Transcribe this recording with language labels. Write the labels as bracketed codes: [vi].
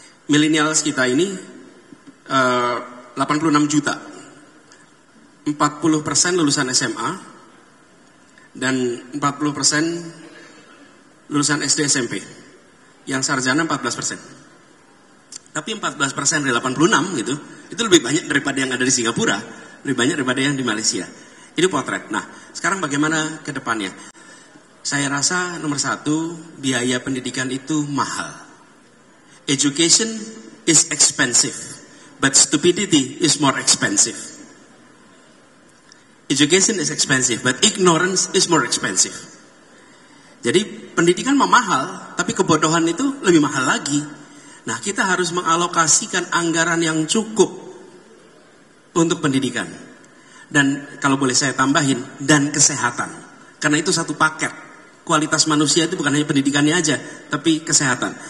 [id] Millennials kita ini 86 juta, 40% lulusan SMA, dan 40% lulusan SD SMP, yang sarjana 14%. Tapi 14% dari 86 gitu, itu lebih banyak daripada yang ada di Singapura, lebih banyak daripada yang di Malaysia. Ini potret. Nah, sekarang bagaimana ke depannya? Saya rasa nomor satu, biaya pendidikan itu mahal. [en] Education is expensive, but stupidity is more expensive. Education is expensive, but ignorance is more expensive. [id] Jadi pendidikan mah mahal, tapi kebodohan itu lebih mahal lagi. Nah, kita harus mengalokasikan anggaran yang cukup untuk pendidikan. Dan kalau boleh saya tambahin, dan kesehatan. Karena itu satu paket. Kualitas manusia itu bukan hanya pendidikannya aja, tapi kesehatan.